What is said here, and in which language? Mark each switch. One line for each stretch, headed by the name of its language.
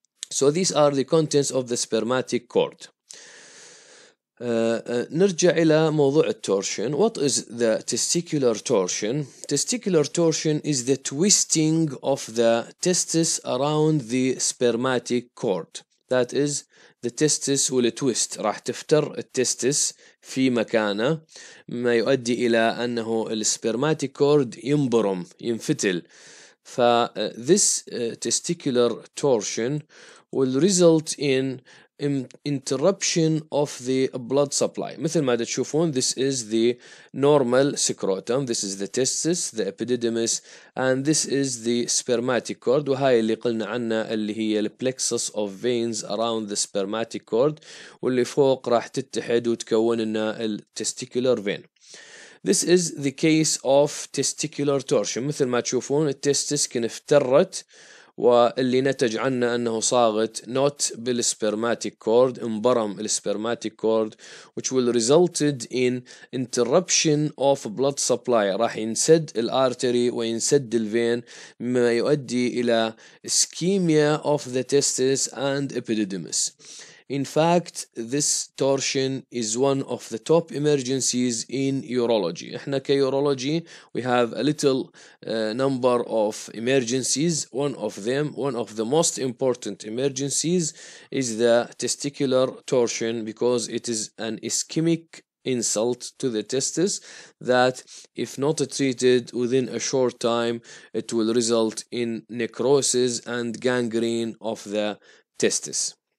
English: So these are the contents of the spermatic cord.
Arabic: نرجع إلى موضوع التورشن.
English: What is the testicular torsion? Testicular torsion is the twisting of the testis around the spermatic cord. That is, the testis will twist.
Arabic: راح تفتر التستس في مكانه. ما يؤدي إلى أنه السبرماتيك كورد ينبرم ينفتل.
English: فthis testicular torsion will result in interruption of the blood supply.
Arabic: مثل ما تشوفون,
English: this is the normal scrotum, this is the testis, the epididymis, and this is the spermatic cord.
Arabic: وهاي اللي قلنا عنها اللي هي
English: the plexus of veins around the spermatic cord,
Arabic: واللي فوق راح تتحد وتكون لنا testicular vein.
English: This is the case of testicular torsion.
Arabic: مثل ما تشوفون التستس كان افترت واللي نتج عنه أنه صاغت not بالسبرماتيك كورد, انبرم السبرماتيك كورد,
English: which will resulted in interruption of blood supply.
Arabic: راح ينسد الارتري وينسد الفين, مما يؤدي إلى
English: ischemia of the testis and epididymis. In fact, this torsion is one of the top emergencies in urology.
Arabic: احنا كيورولوجي,
English: we have a little number of emergencies. One of the most important emergencies is the testicular torsion, because it is an ischemic insult to the testis that if not treated within a short time, it will result in necrosis and gangrene of the testis.